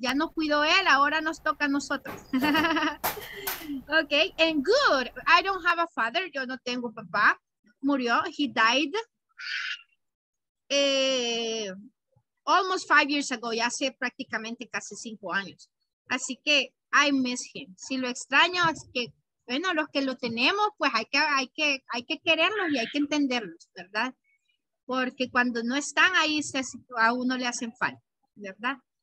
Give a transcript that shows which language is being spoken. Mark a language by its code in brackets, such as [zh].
[es] Ya no cuidó él, ahora nos toca a nosotros. [en] Okay, and good. I don't have a father, [es] yo no tengo papá. Murió, [en] he died. Almost 5 years ago, [es] ya hace prácticamente casi 5 años. Así que, [en] I miss him. [es] Si lo extraño, es que, bueno, los que lo tenemos, pues hay que quererlos y hay que entenderlos, ¿verdad? Porque cuando no están ahí, a uno le hacen falta, ¿verdad?